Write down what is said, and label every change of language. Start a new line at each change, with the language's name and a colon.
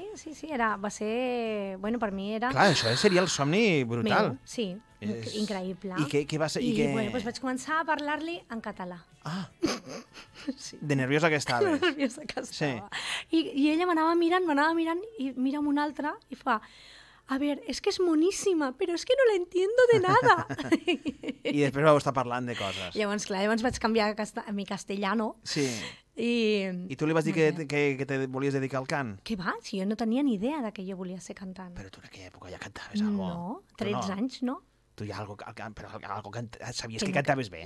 Catalan: Sí, va ser... Bueno, per mi era... Clar, això seria el somni brutal. Increïble. I què va ser? Pues vaig començar a parlar-li en català. De nerviosa que estaves. De nerviosa que estava. Sí. I ella m'anava mirant i mira amb una altra i fa...
Spanish: A ver, es que es monísima, pero es que no la entiendo de nada.
Catalan: I després vau estar parlant de coses. Llavors, clar, llavors vaig canviar a mi castellano. Sí. I tu li vas dir que te volies dedicar al cant? Que va, si jo no tenia ni idea de que jo volia ser cantant. Però tu en aquella època ja cantaves alguna cosa. No, 13 anys, no? tu hi ha algo que sabies que cantaves bé?